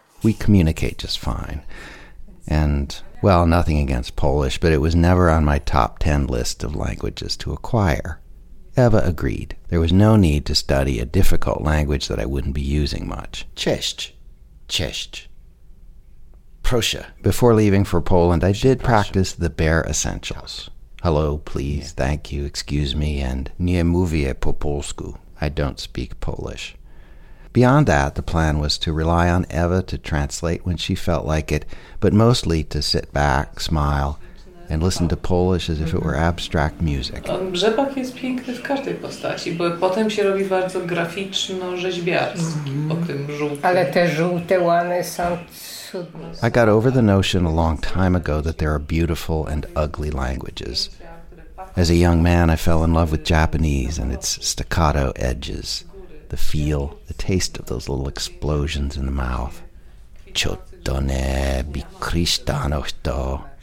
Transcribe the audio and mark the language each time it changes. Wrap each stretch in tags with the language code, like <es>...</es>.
<en>We communicate just fine. And, well, nothing against Polish, but it was never on my top 10 list of languages to acquire. Eva agreed. There was no need to study a difficult language that I wouldn't be using much.</en> <pl>Cześć. Proszę.</pl> <en>Before leaving for Poland, I did practice the bare essentials. Hello, please, thank you, excuse me, and</en> <pl>nie mówię po polsku.</pl> <en>I don't speak Polish. Beyond that, the plan was to rely on Eva to translate when she felt like it, but mostly to sit back, smile, and listen to Polish as if it were abstract music.</en> <pl>Rzepak jest piękny w każdej postaci, bo potem się robi bardzo graficzno-rzeźbiarski o tym żółtym. Ale te żółte łany są cudne.</pl> <en>I got over the notion a long time ago that there are beautiful and ugly languages. As a young man, I fell in love with Japanese and its staccato edges. The feel, the taste of those little explosions in the mouth. Chotto ne bikrystano to.</en>